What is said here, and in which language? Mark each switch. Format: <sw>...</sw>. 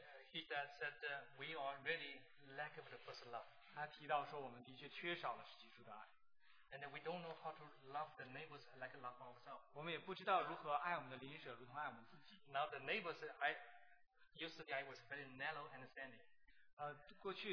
<en>He said that we are really lack of the first love.</en> <zh>他提到说我们的确缺少了起初的爱。</zh> <en>And we don't know how to love the neighbors like love ourselves.</en> <zh>我们也不知道如何爱我们的邻舍如同爱我们自己。</zh> <en>Now the neighbors, I was very narrow understanding.</en>